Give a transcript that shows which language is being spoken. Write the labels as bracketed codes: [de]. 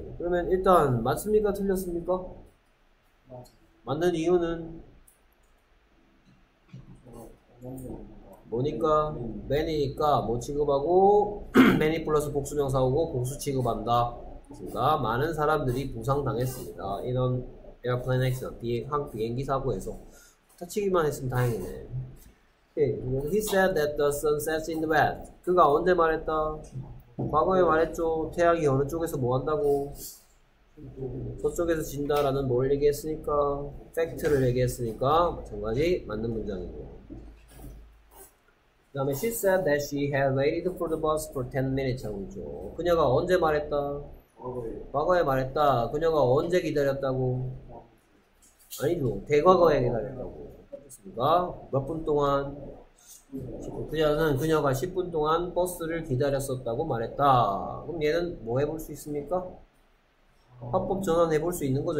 [ko] 그러면 일단 맞습니까? 틀렸습니까? 맞는 이유는 뭐니까? 맨이니까 뭐 취급하고 맨이 플러스 복수 명사하고 복수 취급한다. 그러니까 많은 사람들이 부상당했습니다. 이런 에어플레인 액션, 한 비행기 사고에서 다치기만 했으면 다행이네. 오케이. [en] He said that the sun sets in the west. [ko] 그가 언제 말했다? 과거에 말했죠. 태양이 어느 쪽에서 뭐 한다고? 서쪽에서 진다라는 뭘 얘기했으니까, 팩트를 얘기했으니까, 마찬가지 맞는 문장이고. [en] 그 다음에, she said that she had waited for the bus for 10 minutes [ko] 하고 있죠. 그녀가 언제 말했다? 과거에 말했다. 그녀가 언제 기다렸다고? 아니죠. 대과거에 기다렸다고. 그렇습니까? 몇분 동안? 그녀는 그녀가 10분 동안 버스를 기다렸었다고 말했다. 그럼 얘는 뭐 해볼 수 있습니까? 화법 전환해 볼수 있는 거죠.